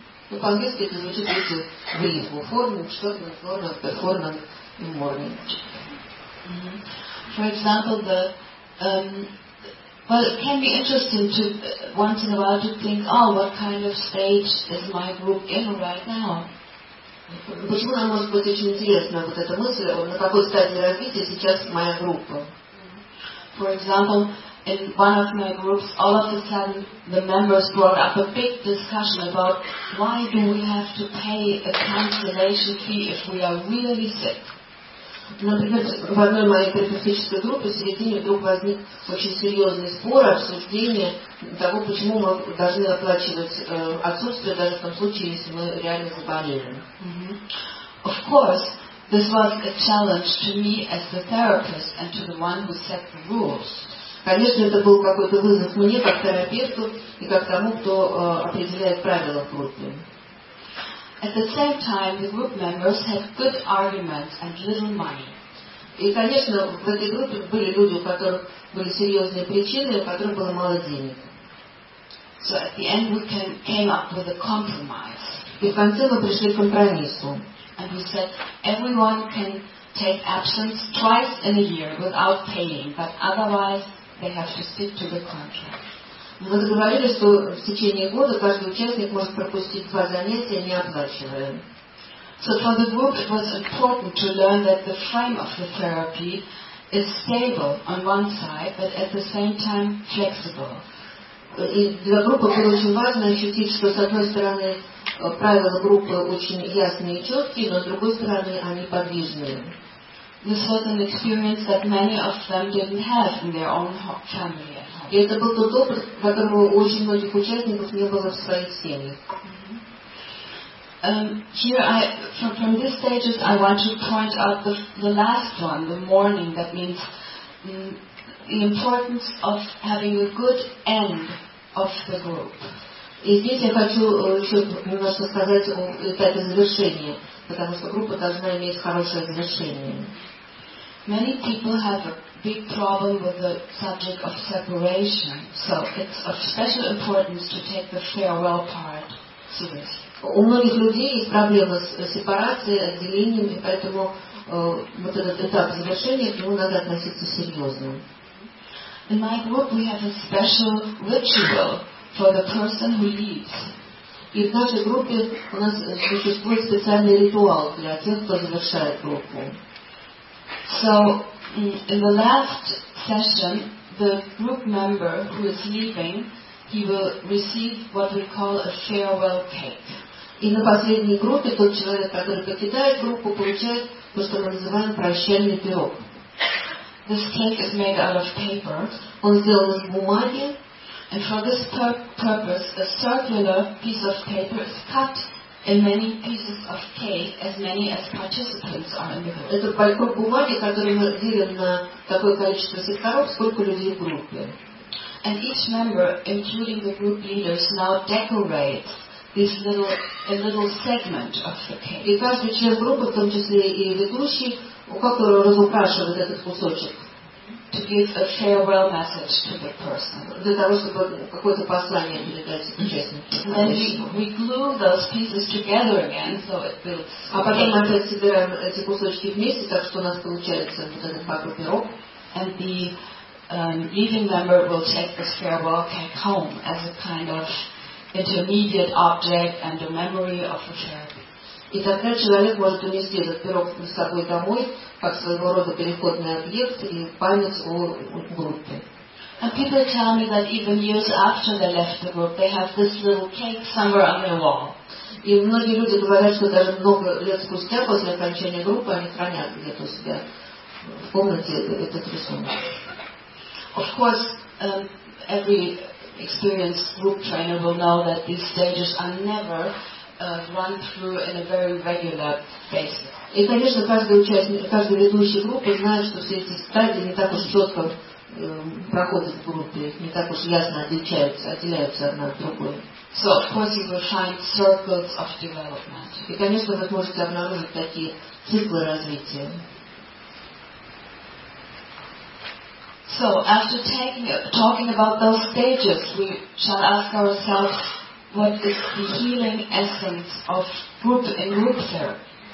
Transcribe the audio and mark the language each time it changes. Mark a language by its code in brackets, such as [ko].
[ru] Ну, по-английски это звучит в ритму. [en] Форминг, шторминг, форминг, перформанс и морминг. For example, the well, it can be interesting to once in a while to think, oh, what kind of stage is my group in right now? [ru] Почему нам может быть очень интересна вот эта мысль, на какой стадии развития сейчас моя группа? [en] For example, in one of my groups, all of a sudden the members brought up a big discussion about why do we have to pay a cancellation fee if we are really sick? [ru] Например, в одной моей терапевтической группе в середине вдруг возник очень серьезный спор, обсуждение того, почему мы должны оплачивать отсутствие, даже в том случае, если мы реально заболели. [en] Of course, this was a challenge to me as the therapist and to the one who set the rules. [ru] Конечно, это был какой-то вызов мне, как терапевту, и как тому, кто определяет правила в группе. [en] At the same time, the group members had good arguments and little money. [ru] И, конечно, в этой группе были люди, у которых были серьезные причины, у которых было мало денег. [en] So at the end, we came up with a compromise. [ru] И в конце мы пришли к компромиссу. [en] And we said, everyone can take absence twice in a year without paying, but otherwise they have to stick to the contract. [ru] Мы договорились, что в течение года каждый участник может пропустить два занятия, не оплачивая. [en] So for the group it was important to learn that the frame of the therapy is stable on one side, but at the same time flexible. [ru] И для группы было очень важно ощутить, что с одной стороны правила группы очень ясные и четкие, но с другой стороны они подвижные. [en] The certain experience that many of them didn't have in their own family. [ru] И это был тот опыт, которого очень многих участников не было в своих семьях. [en] Here I, from this stage, I want to point out the last one, the morning, that means the importance of having a good end of the group. [ru] И здесь я хочу еще немножко сказать о этапе завершения, потому что группа должна иметь хорошее завершение. [en] Many people have a big problem with the subject of separation, so it's of special importance to take the farewell part seriously. [ru] У многих людей есть проблемы с сепарацией, отделением, и поэтому вот этот этап завершения к нему надо относиться серьезно. [en] In my group we have a special ritual for the person who leaves. [ru] И в нашей группе у нас существует специальный ритуал для тех, кто завершает группу. [en] So in the last session, the group member who is leaving, he will receive what we call a farewell cake. [ru] И на последней группе тот человек, который покидает группу, получает то, что мы называем прощальный пирог. [en] This cake is made out of paper. [ru] Он сделан из бумаги. [en] And for this purpose, a circular piece of paper is cut in many pieces of cake, as many as participants are in the group. [ru] Это пайков бумаги, который мы делим на такое количество секторов, сколько людей в группе. [en] And each member, including the group leaders, now decorates this little a little segment of the cake. [ru] И каждый член группы, в том числе и ведущий, как разукрашивает этот кусочек. [en] To give a farewell message to the person. [ru] Для того, чтобы какое-то послание передать участникам. [en] And then we glue those pieces together again, so it builds. [ru] А потом мы опять собираем эти кусочки вместе, так что у нас получается вот этот пакет пирог. [en] And the leaving member will take this farewell cake home as a kind of intermediate object and a memory of a therapy. [ru] И тогда человек может унести этот пирог с собой домой, как своего рода переходный объект и память о группе. [en] And people tell me that even years after they left the group, they have this little cake somewhere on their wall. [ru] И многие люди говорят, что даже много лет спустя после окончания группы они хранят где-то у себя в комнате этот рисунок. [en] Of course, every experienced group trainer will know that these stages are never run through in a very regular basis. [ru] И, конечно, каждый участник, каждый ведущий группы знает, что все эти стадии не так уж четко проходят в группе, не так уж ясно отличаются, отделяются одна от другой. [en] So of course you will find circles of development. [ru] И, конечно, вы можете обнаружить такие циклы развития. [en] So after talking about those stages, we shall ask ourselves, what is the healing essence of group in group therapy?